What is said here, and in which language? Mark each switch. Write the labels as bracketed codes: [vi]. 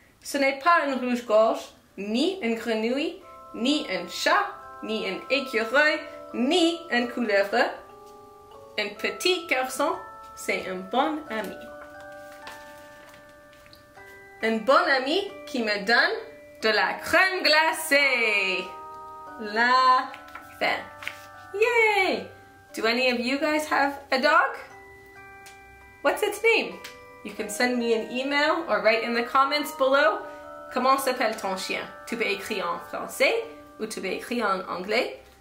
[fr] Ce n'est pas un rouge-gorge, ni une grenouille, ni un chat, ni un écureuil, ni un couleuvre. Un petit garçon, c'est un bon ami. Un bon ami qui me donne de la crème glacée. La fin. Yay! [en] Do any of you guys have a dog? What's its name? You can send me an email or write in the comments below. [fr] Comment s'appelle ton chien? Tu peux écrire en français ou tu peux écrire en anglais?